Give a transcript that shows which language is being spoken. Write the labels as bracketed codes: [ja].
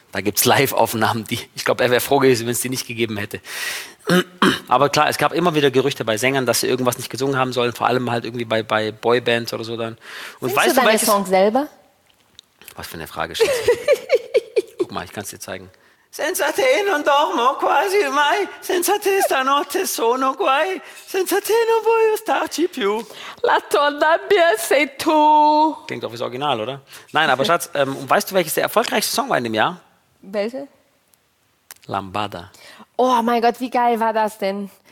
[de] Da gibt es Live-Aufnahmen, die ich glaube, er wäre froh gewesen, wenn es die nicht gegeben hätte. Aber klar, es gab immer wieder Gerüchte bei Sängern, dass sie irgendwas nicht gesungen haben sollen, vor allem halt irgendwie bei Boybands oder so dann. Und singst weißt du deine Songs selber? Was für eine Frage, Schatz. Guck mal, ich kann es dir zeigen. [it] Senza te non dormo quasi mai, senza te stanotte sono guai, senza te non voglio starci più. La tua nabbia sei tu. [de] Klingt auch wie das Original, oder? Nein, aber Schatz, weißt du, welches der erfolgreichste Song war in dem Jahr? Welche? Lambada. Oh mein Gott, wie geil war das denn?